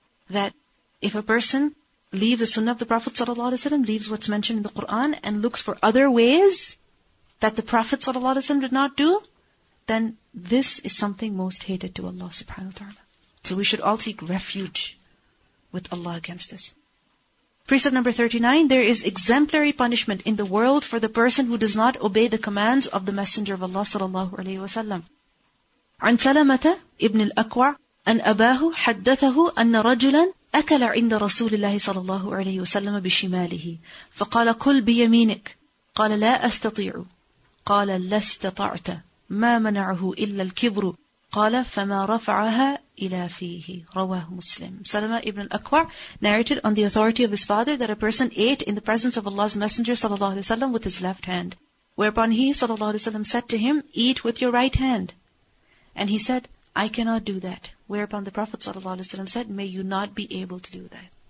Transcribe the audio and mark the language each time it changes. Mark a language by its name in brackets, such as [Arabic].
[English] That if a person leaves the sunnah of the Prophet ﷺ, leaves what's mentioned in the Qur'an, and looks for other ways that the Prophet ﷺ did not do, then this is something most hated to Allah subhanahu wa ta'ala. So we should all take refuge with Allah against this. Precept number 39, there is exemplary punishment in the world for the person who does not obey the commands of the Messenger of Allah sallallahu alayhi wa sallam. [Arabic] عن سلمة ابن الأكوع أن أباه حدثه أن رجلا أكل عند رسول الله صلى الله عليه وسلم بشماله فقال كل بيمينك قال لا أستطيع قال لا استطعت ما منعه إلا الكبر قال فما رفعها إلى فيه رواه مسلم. [English] سلمة ابن الأكوع narrated on the authority of his father that a person ate in the presence of Allah's Messenger صلى الله عليه وسلم with his left hand. Whereupon he صلى الله عليه وسلم said to him, eat with your right hand. And he said, I cannot do that. Whereupon the Prophet ﷺ said, may you not be able to do that.